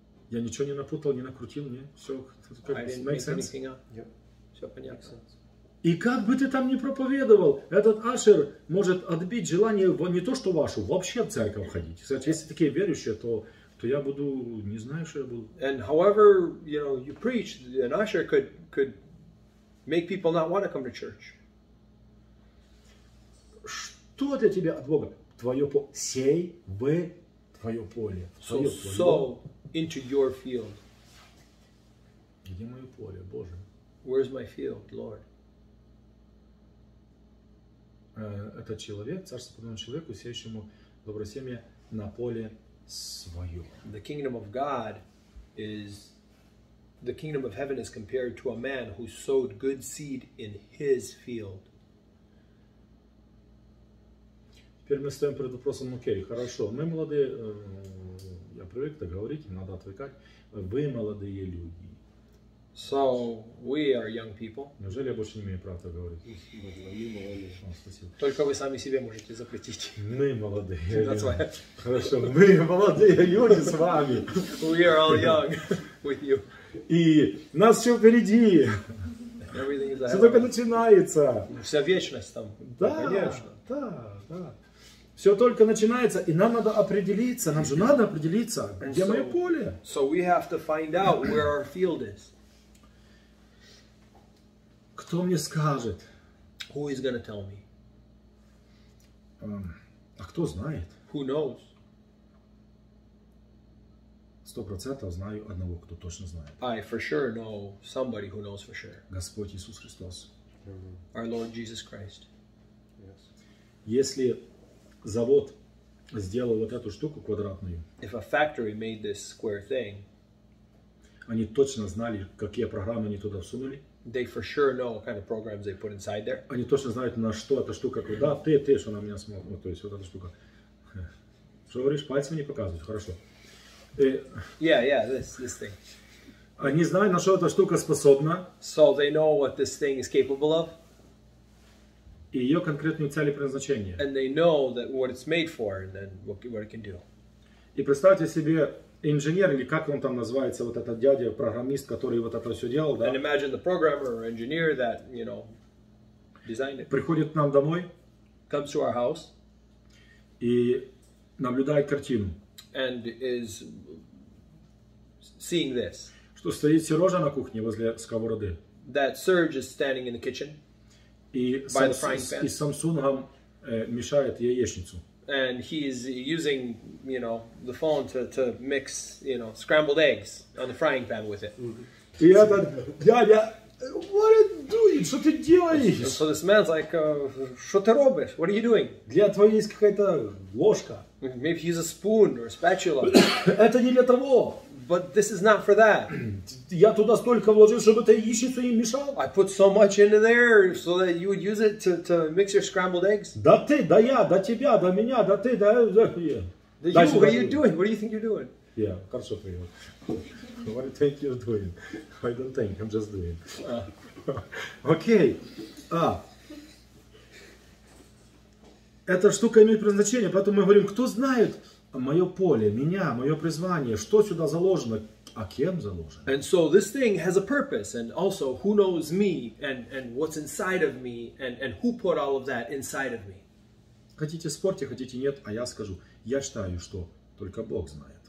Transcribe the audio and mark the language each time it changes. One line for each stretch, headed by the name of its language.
Russian: Я ничего не напутал, не накрутил, не? Все,
English: makes sense.
Russian: Все понятно. И как бы ты там ни проповедовал, этот ашер может отбить желание не то что вашу, вообще в церковь ходить. Кстати, если такие верующие, то я буду, не знаю, что я буду.
English: And however, you know, you preach, an usher could make people not want to come to church.
Russian: Что для тебя от Бога? Твое поле. Сей в твое поле. Твое
English: sow into your field.
Russian: Где мое поле, Боже?
English: Where's my field, Lord?
Russian: Это человек, царство подобно человеку, сеющему доброе семя на поле свое.
English: The kingdom of God is the kingdom of heaven is compared to a man who sowed good seed in his field.
Russian: Теперь мы стоим перед вопросом, окей, хорошо, мы молодые, я привык так говорить, надо отвлекать, вы молодые люди,
English: So we are young people.
Russian: Неужели я больше не имею права так говорить? Только вы сами себе можете запретить. Мы молодые.
English: That's why.
Russian: Хорошо. Мы молодые люди с вами.
English: We are all young with you.
Russian: И нас все впереди. Все только начинается. Вся вечность там. Да, конечно. Да, да. Все только начинается, и нам надо определиться. Нам же надо определиться, где мое поле.
English: So we have to find out where our field is.
Russian: Кто мне скажет?
English: Who is gonna tell me?
Russian: А кто знает?
English: Who knows?
Russian: 100% знаю одного, кто точно знает.
English: I for sure know somebody who knows for sure.
Russian: Господь Иисус Христос.
English: Mm-hmm. Our Lord Jesus Christ. Yes.
Russian: Если завод сделал вот эту штуку квадратную,
English: if a factory made this square thing,
Russian: они точно знали, какие программы они туда всунули.
English: They for sure know what kind of programs they put inside there.
Russian: Они точно знают, на что эта штука, куда, ты, что она меня смог, ну, то есть вот эта штука. Что говоришь, пальцами не показывать, хорошо.
English: Yeah, this thing.
Russian: Они знают, на что эта штука способна.
English: So they know what this thing is capable of.
Russian: И ее конкретную цель и предназначение.
English: And they know that what it's made for and then what it can do.
Russian: И представьте себе, инженер, или как он там называется, вот этот дядя, программист, который вот это все делал, да?
English: And imagine the programmer or engineer that, you know, designed it.
Russian: Приходит к нам домой.
English: Comes to our house.
Russian: И наблюдает картину.
English: And is seeing this.
Russian: Что стоит Сережа на кухне возле сковороды.
English: That Serge is standing in the kitchen.
Russian: И
English: by the frying pan.
Russian: И Самсунгом мешает яичницу.
English: And he's using, you know, the phone to mix, you know, scrambled eggs on the frying pan with it.
Russian: И этот дядя,
English: what are you doing?
Russian: Что ты делаешь?
English: So this man's like,
Russian: что ты робишь?
English: What are you doing?
Russian: Для твоей есть какая-то ложка.
English: Maybe he's a spoon or a spatula.
Russian: Это не для того.
English: But this is not for that.
Russian: Я туда столько вложил, чтобы ты яичницу не мешал.
English: I put so much into there so that you would use it to mix your scrambled eggs.
Russian: Да ты, да я, да тебя, да меня, да ты, да...
English: You, what are you doing? What do you think you're doing?
Russian: Yeah, хорошо понял.
English: What do you think you're doing? I don't think, I'm just doing.
Russian: Окей. Эта штука имеет предназначение, поэтому мы говорим, кто знает мое поле, меня, мое призвание, что сюда заложено, а кем заложено?
English: And so this thing has a purpose, and also who knows me, and what's inside of me, and who put all of that inside of me.
Russian: Хотите спорьте, хотите нет, а я скажу, я считаю, что только Бог знает.